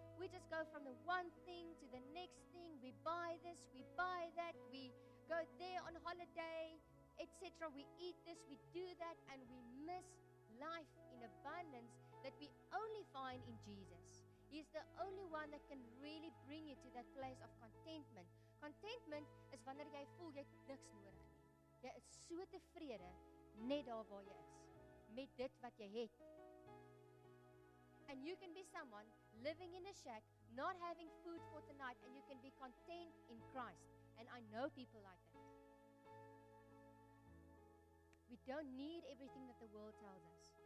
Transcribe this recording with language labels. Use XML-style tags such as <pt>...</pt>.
<en>We just go from the one thing to the next thing. We buy this, we buy that, we go there on holiday, etc. We eat this, we do that, and we miss life in abundance that we only find in Jesus. He is the only one that can really bring you to that place of contentment.</en> <af>Contentment is wanneer jy voel jy niks nodig nie. Jy is so tevrede net daar waar jy is. Met dit wat jy het.</af> <en>And you can be someone living in a shack, not having food for tonight, and you can be content in Christ. And I know people like that. We don't need everything that the world tells us.</en>